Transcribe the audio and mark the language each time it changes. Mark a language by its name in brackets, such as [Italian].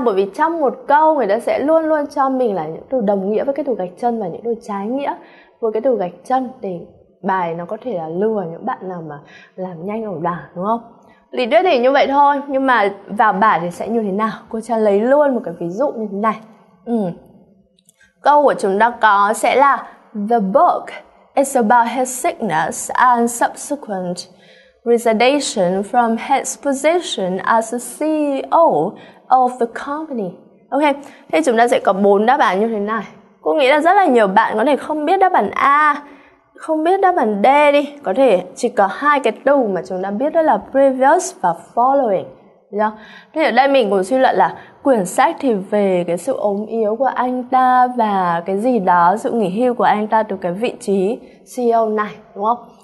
[Vietnamese] Bởi vì trong một câu người ta sẽ luôn luôn cho mình là những từ đồng nghĩa với cái từ gạch chân và những từ trái nghĩa với cái từ gạch chân, để bài nó có thể là lừa những bạn nào mà làm nhanh ẩu đả, đúng không? Lý thuyết thì như vậy thôi, nhưng mà vào bài thì sẽ như thế nào? Cô Trang lấy luôn một cái ví dụ như thế này. Câu của chúng ta có sẽ là [English] The book is about his sickness and subsequent resignation from his position as the CEO of the company. [Vietnamese] Ok, thế chúng ta sẽ có bốn đáp án như thế này. Cô nghĩ là rất là nhiều bạn có thể không biết đáp án A, không biết đáp án D đi. Có thể chỉ có hai cái từ mà chúng ta biết, đó là previous và following. Yeah. Thế ở đây mình cũng suy luận là quyển sách thì về cái sự ốm yếu của anh ta và cái gì đó, sự nghỉ hưu của anh ta từ cái vị trí CEO này, đúng không?